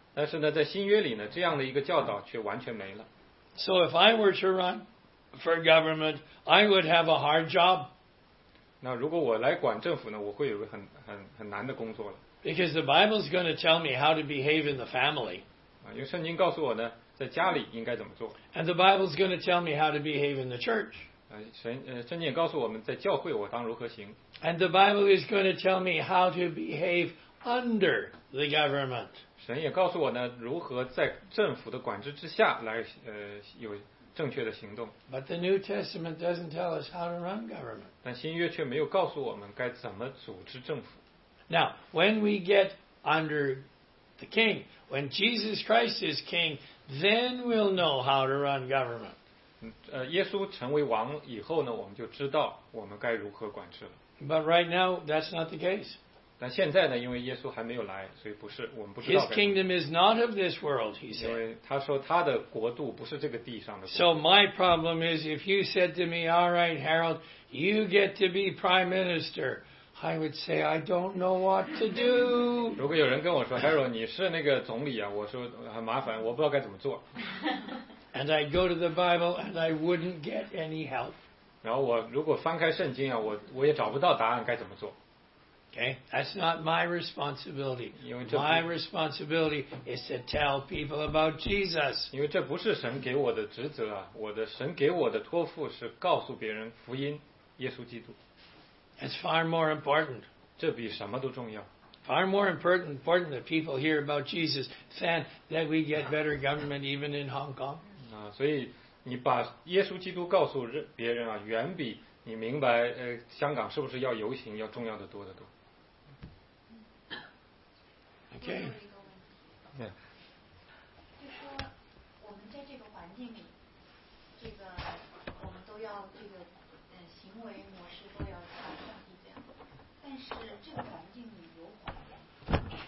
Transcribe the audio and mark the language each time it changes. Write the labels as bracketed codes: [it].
[zh] 但是呢，在新约里呢，这样的一个教导却完全没了。 [en] So if I were to run for government, I would have a hard job. [zh] 那如果我来管政府呢，我会有个很难的工作了。 [en] Because the Bible is going to tell me how to behave in the family. [zh] 因为圣经告诉我呢，在家里应该怎么做。 [en] And the Bible is going to tell me how to behave in the church. [zh] 圣经也告诉我们在教会我当如何行。 [en] And the Bible is going to tell me how to behave under the government. [zh] 神也告诉我呢，如何在政府的管制之下来有正确的行动。 [en] But the New Testament doesn't tell us how to run government. [zh] 但新约却没有告诉我们该怎么组织政府。 [en] Now, when we get under the king, when Jesus Christ is king, then we'll know how to run government. [zh] 耶稣成为王以后呢，我们就知道我们该如何管治了。 [en] But right now, that's not the case. [zh] 但现在呢，因为耶稣还没有来，所以不是我们不知道。 [en] His kingdom is not of this world, he said. [zh] 因为他说他的国度不是这个地上的国度。 [en] So my problem is, if you said to me, "All right, Harold, you get to be prime minister," I would say, "I don't know what to do." [zh] 如果有人跟我说 ，Harold， 你是那个总理啊，我说很麻烦，我不知道该怎么做。 [en] And I'd go to the Bible, and I wouldn't get any help. [zh] 然后我如果翻开圣经啊，我也找不到答案该怎么做。 [en] Okay, that's not my responsibility. My responsibility is to tell people about Jesus. [zh] 因为这不是神给我的职责啊，我的神给我的托付是告诉别人福音，耶稣基督。 [en] It's far more important. [zh] 这比什么都重要。 [en] Far more important that people hear about Jesus than that we get better government even in Hong Kong. [zh] 啊，所以你把耶稣基督告诉别人啊，远比你明白香港是不是要游行要重要的多得多。 [en] OK。 [zh] 就说我们在这个环境里，这个我们都要这个行为模式都要像上帝这样，但是这个环境里有谎言。